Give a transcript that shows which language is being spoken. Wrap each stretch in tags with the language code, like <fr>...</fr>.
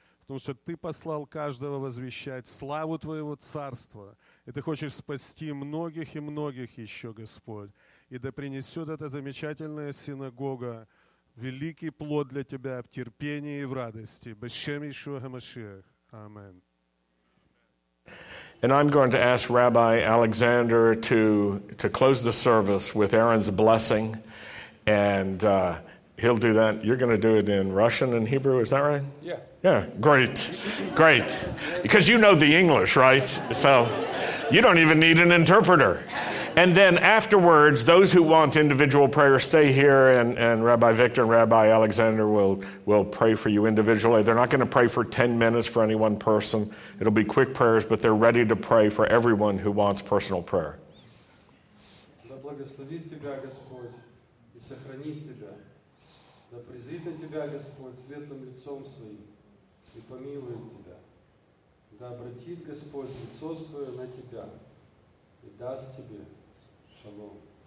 <ru>Потому что Ты послал каждого возвещать славу Твоего Царства. И Ты хочешь спасти многих и многих еще, Господь. И да принесет эта замечательная синагога великий плод для Тебя в терпении и в радости.</ru> <he>Бешем Иешуа ха-Машиах. Амин.</he> <en>And I'm going to ask Rabbi Alexander to close the service with Aaron's blessing. And he'll do that. You're going to do it in Russian and Hebrew, is that right? Yeah. Yeah, great. Great. Because you know the English, right? So you don't even need an interpreter. And then afterwards, those who want individual prayer, stay here, and Rabbi Victor and Rabbi Alexander will pray for you individually. They're not going to pray for 10 minutes for any one person. It'll be quick prayers, but they're ready to pray for everyone who wants personal prayer.</en> <ru>Да благословит тебя Господь и сохранит тебя. Да призрит на тебя Господь светлым лицом своим и помилует тебя. Да обратит Господь лицо свое на тебя и даст тебе Shalom.</ru>